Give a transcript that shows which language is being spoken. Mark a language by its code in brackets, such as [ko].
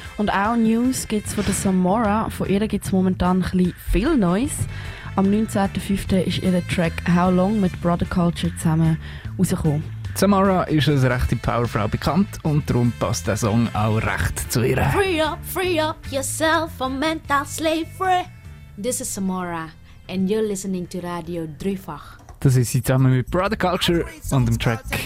[de] Und auch News gibt es von der Samora. Von ihr gibt es momentan ein viel Neues. Am 19.05. ist ihr Track How Long mit Brother Culture zusammen rausgekommen. Samora ist als rechte Powerfrau bekannt und darum passt der Song auch recht zu ihr. [en] Free up yourself from mental slavery. This is Samora. And you're listening to Radio Dreifach. [de] Das ist sie zusammen mit Brother Culture on dem Track.